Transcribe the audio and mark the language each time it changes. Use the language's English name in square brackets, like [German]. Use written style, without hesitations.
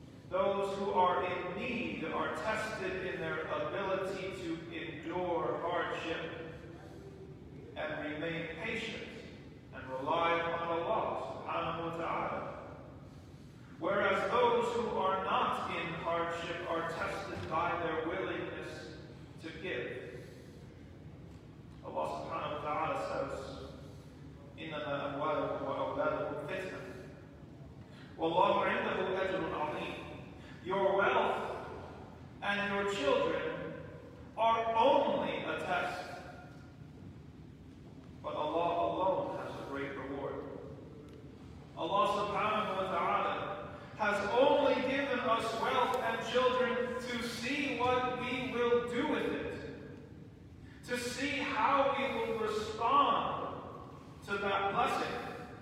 [English] Those who are in need are tested in their ability to endure hardship and remain patient and rely on Allah subhanahu wa ta'ala. Whereas those who are not in hardship are tested by their willingness to give. [Arabic] Allah subhanahu wa ta'ala says, إِنَّمَا أَمْوَالُكُمْ وَأَوْلَادُكُمْ فِتْنَةٌ وَاللَّهُ عِنْدَهُ أَجْرٌ عَظِيمٌ. [English] Your wealth and your children are only a test, but Allah alone has a great reward. Allah subhanahu wa ta'ala has only given us wealth and children to see what we will do with it, to see how we will respond to that blessing.